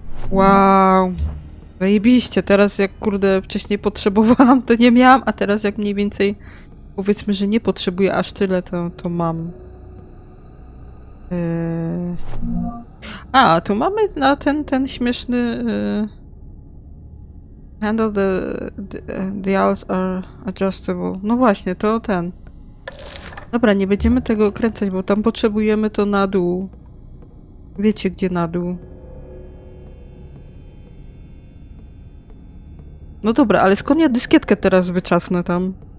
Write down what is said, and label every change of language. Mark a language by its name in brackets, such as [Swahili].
[Polish] Wow. Zajebiście, teraz jak kurde wcześniej potrzebowałam, to nie miałam, a teraz jak mniej więcej powiedzmy, że nie potrzebuję aż tyle, to mam. A, tu mamy na ten śmieszny... [English] Handle the dials are adjustable. [Polish] No właśnie, to ten. Dobra, nie będziemy tego kręcać, bo tam potrzebujemy to na dół. Wiecie gdzie na dół. No dobra, ale skąd ja dyskietkę teraz wyczasnę tam?